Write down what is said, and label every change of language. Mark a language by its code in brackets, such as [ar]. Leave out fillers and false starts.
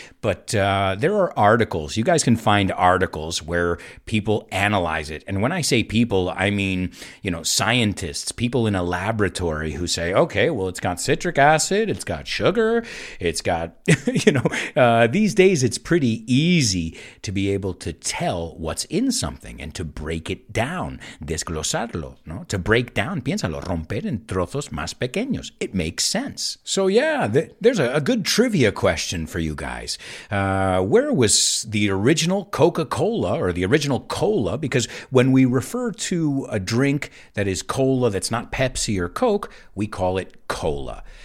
[en] But there are articles. You guys can find articles where people analyze it. And when I say people, I mean, you know, scientists, people in a laboratory who say, okay, well, it's got citric acid, it's got sugar, it's got, you know, these days it's pretty easy to be able to tell what's in something and to break it down, [es] desglosarlo, no? [en] To break down, [es] piénsalo, romper en trozos más pequeños. [en] It makes sense. So yeah, there's a good trivia question for you guys. Where was the original Coca-Cola or the original cola? Because when we refer to a drink that is cola that's not Pepsi or Coke, we call it cola.